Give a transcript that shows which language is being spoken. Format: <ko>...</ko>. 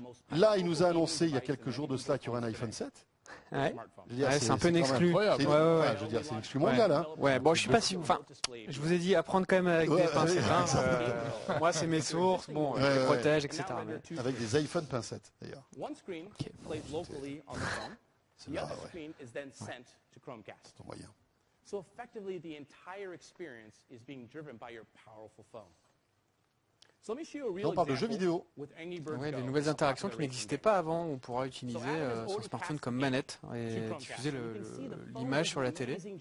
<fr>Là, il nous a annoncé il y a quelques jours de cela qu'il y aurait un iPhone 7. Ouais. Dire, c'est un peu une exclu. Ouais, je veux dire, c'est une exclu mondiale. Ouais. Hein. Ouais, bon, je suis pas si. Enfin, je vous ai dit à prendre quand même avec des pincettes. Hein, moi, c'est mes sources, bon, je les protège, etc. Mais... Avec des iPhone pincettes, d'ailleurs.</fr> <en>One screen plays locally on the phone. The other screen is then sent to Chromecast.</en> <fr>C'est moyen.</fr> <en>So effectively, the entire experience is being driven by your powerful phone.</en> <fr>On parle de jeux vidéo. Oui, des nouvelles interactions qui n'existaient pas avant. On pourra utiliser son smartphone comme manette et diffuser l'image sur la télé.</fr>